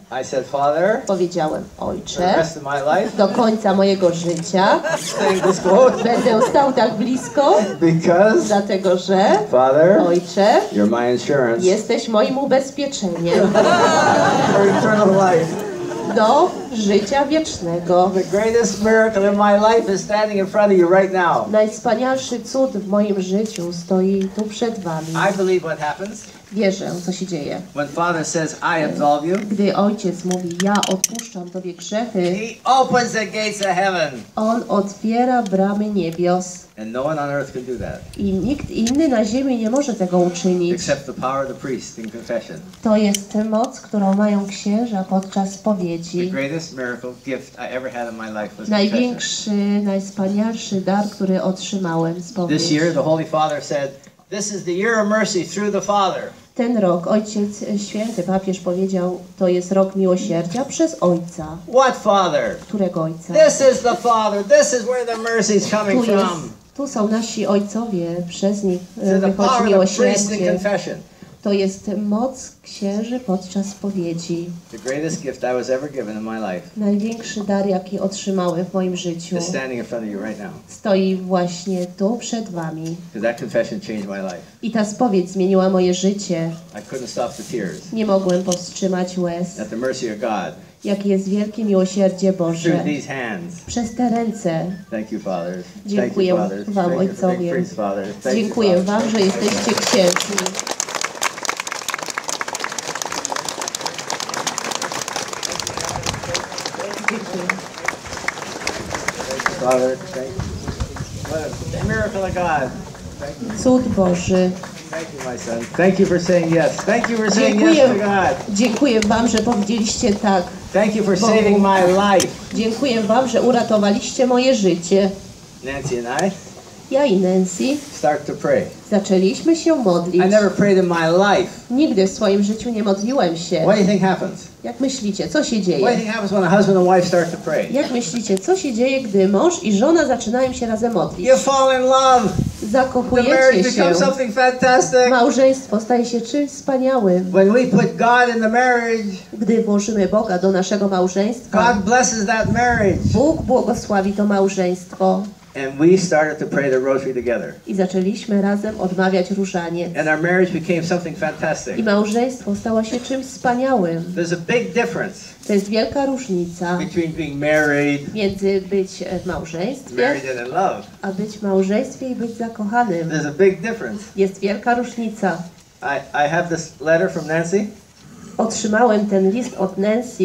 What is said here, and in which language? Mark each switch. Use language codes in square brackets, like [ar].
[en] I said, Father, [pl] powiedziałem, Ojcze, [en] life, [pl] do końca mojego życia będę stał tak blisko, [en] because, [pl] dlatego że, [en] Father, [pl] Ojcze, [en] you're my insurance. [pl] Jesteś moim ubezpieczeniem [en] for eternal life. [pl] Do życia wiecznego. [en] The greatest miracle in my life is standing in front of you right now. [pl] Najwspanialszy cud w moim życiu stoi tu przed wami. [en] I believe what happens. [pl] Wierzę, co się dzieje. [en] When Father says, I absolve you, [pl] gdy Ojciec mówi, ja odpuszczam Tobie grzechy, [en] he opens the gates of heaven. [pl] On otwiera bramy niebios. [en] And no one on earth can do that. [pl] I nikt inny na ziemi nie może tego uczynić. [en] Except the power of the priest in confession. [pl] To jest ta moc, którą mają księża podczas spowiedzi. [en] The greatest miracle gift I ever had in my life was [pl] największy, [en] confession. [pl] Najwspanialszy dar, który otrzymałem z spowiedzi. [en] This year the Holy Father said, this is the year of mercy through the Father. [pl] Ten rok Ojciec Święty, papież powiedział, to jest rok miłosierdzia przez Ojca. [en] What Father? [pl] Którego Ojca? [en] This is the Father. This is where the mercy is coming [pl] tu jest, [en] from. [pl] Tu są nasi ojcowie, przez nich wychodzi miłosierdzie. To jest moc księży podczas spowiedzi. [en] The greatest gift I was ever given in my life. [pl] Największy dar, jaki otrzymałem w moim życiu. [en] Is standing in front of you right now. [pl] Stoi właśnie tu przed wami. [en] That confession changed my life. [pl] I ta spowiedź zmieniła moje życie. [en] I couldn't stop the tears. [pl] Nie mogłem powstrzymać łez. [en] At the mercy of God. [pl] Jaki jest wielkie miłosierdzie Boże. [en] Through these hands. [pl] Przez te ręce. [en] Thank you, fathers. [pl] Dziękuję wam, ojcowie. Dziękuję wam, że jesteście księdzi. [en] Father, thank you. What a miracle of God. Thank you. [pl] Cud Boży. [en] Thank you, my son. Thank you for saying yes. Thank you for saying yes to God. [pl] Dziękuję wam, że powiedzieliście tak. [en] Thank you for saving my life. [pl] Dziękuję wam, że uratowaliście moje życie. [en] Nancy and I. [pl] Ja i Nancy. [en] Start to pray. [pl] Zaczęliśmy się modlić. [en] I never prayed in my life. [pl] Nigdy w swoim życiu nie modliłem się. [en] What do you think happens? [pl] Jak myślicie, co się dzieje? [en] What do you think happens when a husband and wife start to pray? [pl] Jak myślicie, co się dzieje, gdy mąż i żona zaczynają się razem modlić? [en] You fall in love. [pl] Zakochujecie się. [en] The marriage becomes something fantastic. [pl] Małżeństwo staje się czymś wspaniałym. [en] When we put God in the marriage, [pl] gdy włożymy Boga do naszego małżeństwa, [en] God blesses that marriage. [pl] Bóg błogosławi to małżeństwo. [en] And we started to pray the rosary together. [pl] I zaczęliśmy razem odmawiać różaniec. [en] And our marriage became something fantastic. [pl] I małżeństwo stało się czymś wspaniałym. [en] There's a big difference. [pl] To jest wielka różnica. [en] Between being married. [pl] Między być w małżeństwie. [en] Married and in love. [pl] A być w małżeństwie i być zakochanym. [en] There's a big difference. [pl] Jest wielka różnica. [en] I have this letter from Nancy. [pl] Otrzymałem ten list od Nancy.